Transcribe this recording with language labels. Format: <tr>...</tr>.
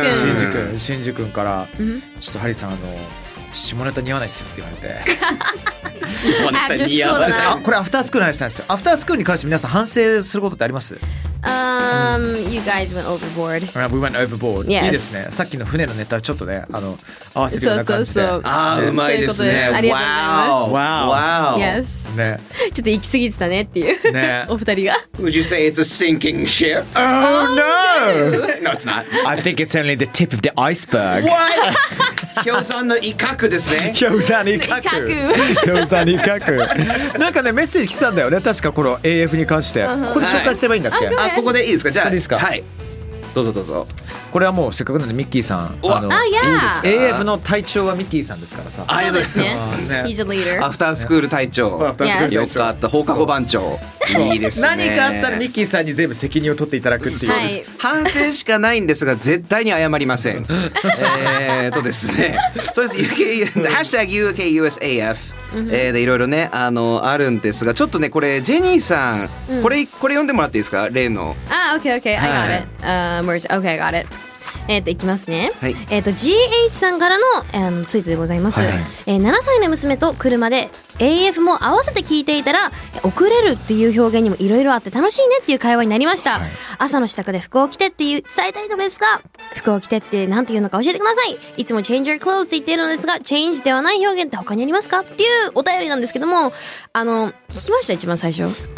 <ja>シンジ君、シンジ君から、うん、ちょっとハリーさん、下ネタ似合わないですよって言われて下ネタ似合わない、あ、これアフタースクールの話なんですよ、アフタースクールに関して皆さん反省することってあります？</ja> <en>You guys went overboard. We went overboard. Yes.</en> <ja>いいですね。さっきの船のネタちょっとね、合わせるような感じで。そう、ね、うまいですね。ありがとうございます。ね。ちょっと行き過ぎてたねっていう、ね、お二人が。</ja> <en>Would you say it's a sinking ship? Oh no. No, it's not. I think it's only the tip of the iceberg.</en> <ja>What? 氷山の威嚇ですね。氷山の威嚇。氷山の威嚇。なんかね、メッセージ来たんだよね。確かこの AF に関して。</ja> <en>Uh-huh.</en> <ja>ここで紹介すればいいんだっけ？</ja> <en>Okay.</en> <ja>ここでいいですか、じゃあ、ですか、はい、どうぞどうぞ、これはもうせっかくなんでミッキーさん、いいんですか、 AF の隊長はミッキーさんですからさ、あ、そうですね、</ja> <en>He's a leader、</en> <ja>アフタースクール隊長、よかった、放課後番長、いいですね、何かあったらミッキーさんに全部責任を取っていただくっていう、そうです、反省しかないんですが絶対に謝りませんですね、そうです、 UK ハッシュタグ UKUSAFでいろいろね、あるんですが、ちょっとねこれジェニーさん、うん、これ読んでもらっていいですか、例の、</ja> <en>あ、ah, OKOK、okay, okay. I got it、merge OK I got it、</en> <ja>いきますね、はい、 GH さんからの、ツイートでございます、はい、7歳の娘と車で AF も合わせて聞いていたら、遅れるっていう表現にもいろいろあって楽しいねっていう会話になりました、はい、朝の支度で服を着てって伝えたいのですが、服を着てって何て言うのか教えてください、いつも</ja> <en>change your clothes</en> <ja>って言っているのですが、 change ではない表現って他にありますかっていうお便りなんですけども、聞きました、一番最初、</ja>